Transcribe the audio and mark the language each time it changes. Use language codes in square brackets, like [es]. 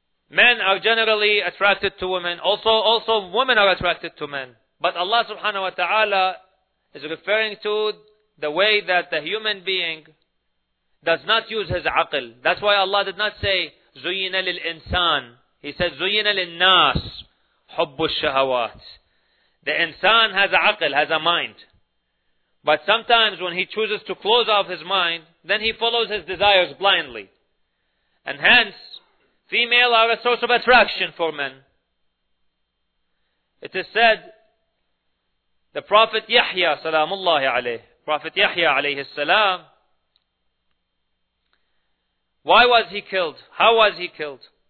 [en] Men are generally attracted to women. Also women are attracted to men. But Allah subhanahu wa ta'ala is referring to the way that the human being does not use his aql. That's why Allah did not say, [ar] زُيِّنَ لِلْإِنسَانِ. [en] He said, [ar] زُيِّنَ لِلنَّاسِ حُبُّ الشَّهَوَاتِ. [en] The insan has aql, has a mind. But sometimes when he chooses to close off his mind, then he follows his desires blindly. And hence, females are a source of attraction for men. It is said, the Prophet Yahya, salamullahi alayh, Prophet Yahya, alayhi salam, why was he killed? How was he killed?